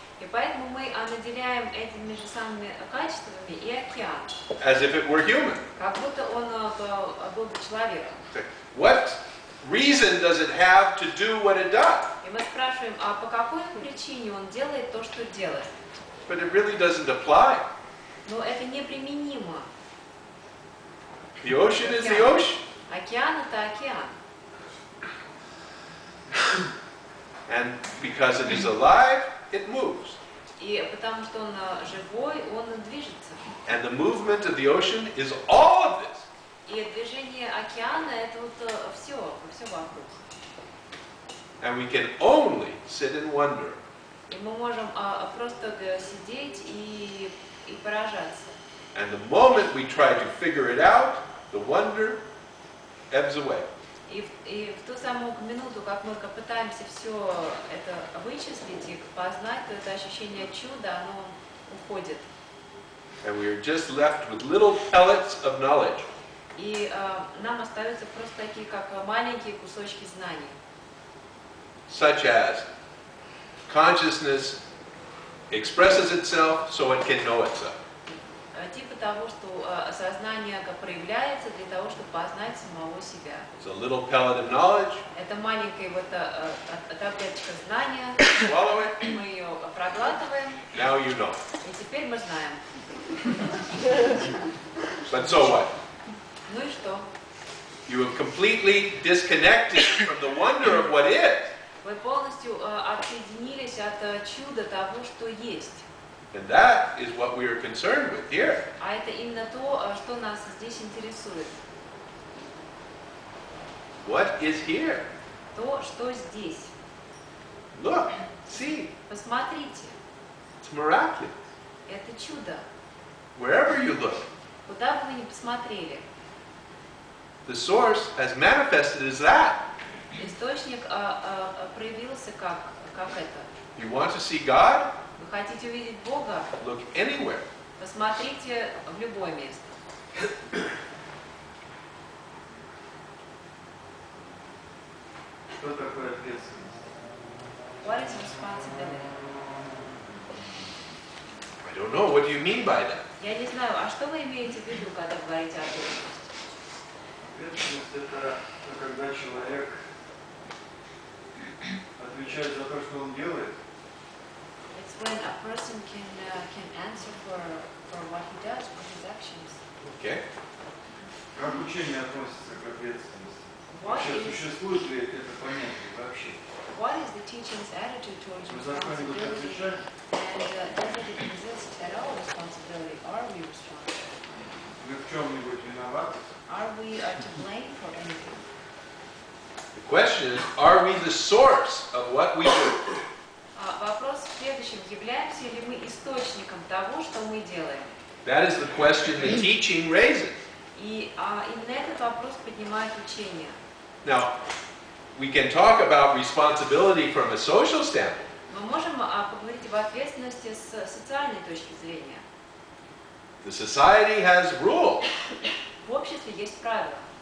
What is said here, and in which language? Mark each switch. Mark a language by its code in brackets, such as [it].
[ru] И поэтому мы наделяем этими же самыми качествами и океан. [en] As if it were human. [ru] Как будто он был бы человеком. [en] What reason does it have to do what it does? [ru] И мы спрашиваем, а по какой причине он делает то, что делает? [en] But it really doesn't apply. [ru] Но это неприменимо. [en] The ocean is the ocean. [ru] Океан это океан. [en] And because it is alive, it moves. [ru] И потому что он живой, он движется. [en] And the movement of the ocean is all of this. [ru] И движение океана это вот все, все вокруг. [en] And we can only sit and wonder. [ru] И мы можем просто сидеть и поражаться. [en] And the moment we try to figure it out, the wonder ebbs away. [ru] И в ту самую минуту, как мы пытаемся все это вычислить и познать, то это ощущение чуда, оно уходит. [en] And we are just left with little pellets of knowledge. [ru] И нам остаются просто такие, как маленькие кусочки знаний. [en] Such as consciousness expresses itself so it can know itself. [ru] Типа того, что сознание проявляется для того, чтобы познать самого себя. [en] It's a little pellet of knowledge. [ru] Это маленькая вот таблеточка знания. [en] Swallow it. [ru] Мы ее проглатываем. [en] Now you know. [ru] И теперь мы знаем. [en] But so what? [ru] Ну и что? [en] You have completely disconnected from the wonder of what is. [ru] Вы полностью отсоединились от чуда того, что есть. [en] And that is what we are concerned with here. [ru] А это именно то, что нас здесь интересует. [en] What is here? [ru] То, что здесь. [en] Look, see. [ru] Посмотрите. [en] It's miraculous. [ru] Это чудо. [en] Wherever you look. [ru] Куда бы вы ни посмотрели. [en] The source has manifested as that. [ru] Источник проявился как это. [en] You want to see God? [ru] Вы хотите увидеть Бога? [en] Look anywhere. [ru] Посмотрите в любое место. Что такое ответственность? [en] What is responsibility? I don't know. What do you mean by that? [ru] Я не знаю. А что вы имеете в виду, когда говорите о ответственности? Ответственность — это когда человек отвечает за то, что он делает. [en] It's when a person can answer for what he does, for his actions. Okay. [ru] Как учение относится к ответственности? Вообще, существует ли это понятие вообще? [en] What is the teaching's attitude towards responsibility? And does it exist at all, responsibility? Are we responsible? [ru] Мы в чем-нибудь виноваты? [en] Are we to blame for anything? The question is, are we the source of what we do? [ru] Вопрос в следующем. Являемся ли мы источником того, что мы делаем? [en] That is the question the teaching raises. [ru] И именно этот вопрос поднимает учение. [en] Now, we can talk about responsibility from a social standpoint. [ru] Мы можем поговорить об ответственности с социальной точки зрения. [en] The society has rules. [ru] В обществе есть правила.